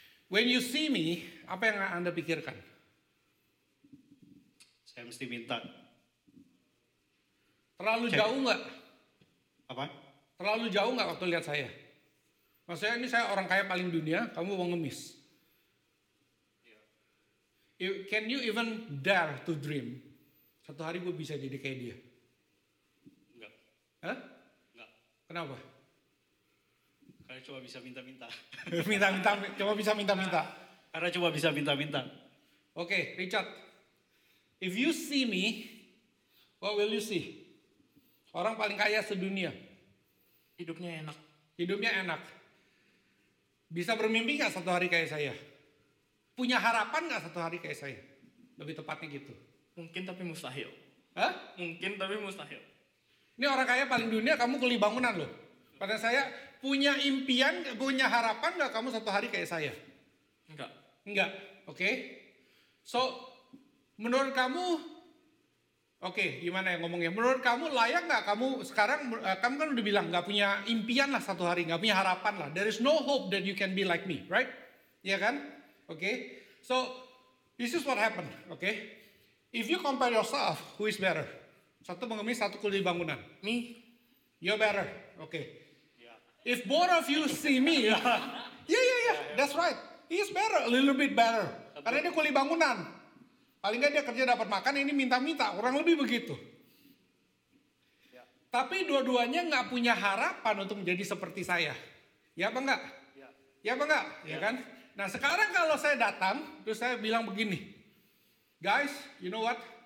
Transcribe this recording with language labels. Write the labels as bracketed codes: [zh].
[en] When you see me, [id] apa yang Anda pikirkan? Saya mesti minta. Terlalu saya jauh enggak? Apa? Terlalu jauh enggak waktu lihat saya? Maksudnya ini saya orang kaya paling dunia, kamu pengemis. [en] Yeah. Can you even dare to dream? [id] Satu hari gue bisa jadi kayak dia. Enggak. Hah? Enggak. Kenapa? Karena cuma bisa minta-minta. Minta-minta, cuma bisa minta-minta. Karena cuma bisa minta-minta. Oke, okay, Richard. [en] If you see me, what will you see? [id] Orang paling kaya sedunia. Hidupnya enak. Hidupnya enak. Bisa bermimpi gak satu hari kayak saya? Punya harapan gak satu hari kayak saya? Lebih tepatnya gitu. Mungkin tapi mustahil. Hah? Mungkin tapi mustahil. Ini orang kaya paling dunia, kamu kuli bangunan loh. Pada saya, punya impian, punya harapan gak kamu satu hari kayak saya? Enggak. Enggak, oke. Okay. So, menurut kamu, oke, okay, gimana ya ngomongnya? Menurut kamu layak gak kamu sekarang, kamu kan udah bilang gak punya impian lah satu hari, gak punya harapan lah. [en] There is no hope that you can be like me, right? [id] Iya kan? Oke. [en] Okay. So, this is what happened, oke. Okay. If you compare yourself, who is better? [id] Satu pengemis, satu kuli bangunan. [en] Me. You're better, oke. Okay. If both of you see me, yeah, that's right. He is better, a little bit better. [id] Karena dia kuli bangunan. Paling gak dia kerja dapat makan, ini minta-minta. Kurang lebih begitu. Yeah. Tapi dua-duanya gak punya harapan untuk menjadi seperti saya. Ya apa enggak? [en] Yeah. [id] Ya apa enggak? Yeah. Ya kan? Nah sekarang kalau saya datang, terus saya bilang begini. [en] Guys, you know what?